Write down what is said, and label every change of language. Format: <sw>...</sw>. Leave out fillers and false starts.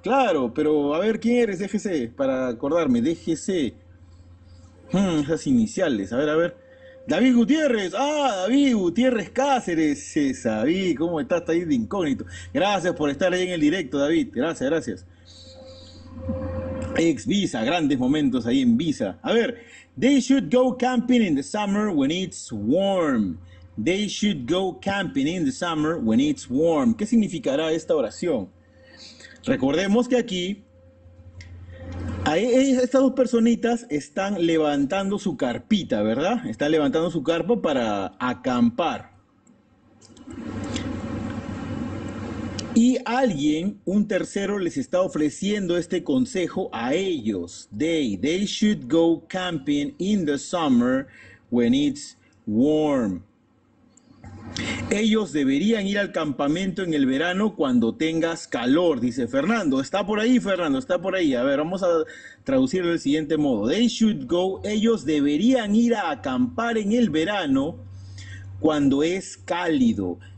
<es>Claro, pero a ver, ¿quién eres DGC? Para acordarme, DGC. Esas iniciales. A ver, a ver. David Gutiérrez, David Gutiérrez Cáceres, David, ¿cómo estás? Está ahí de incógnito. Gracias por estar ahí en el directo, David. Gracias, gracias. Ex Visa, grandes momentos ahí en Visa. A ver,</es> <en>they should go camping in the summer when it's warm. They should go camping in the summer when it's warm.</en> <es>¿Qué significará esta oración? Recordemos que aquí, estas dos personitas están levantando su carpita, ¿verdad? Están levantando su carpa para acampar. Y alguien, un tercero, les está ofreciendo este consejo a ellos.</es> <en>They should go camping in the summer when it's warm.</en> <es>Ellos deberían ir al campamento en el verano cuando tengas calor, dice Fernando. Está por ahí, Fernando, está por ahí. A ver, vamos a traducirlo del siguiente modo.</es> <en>They should go,</en> <es>ellos deberían ir a acampar en el verano cuando es cálido.</es>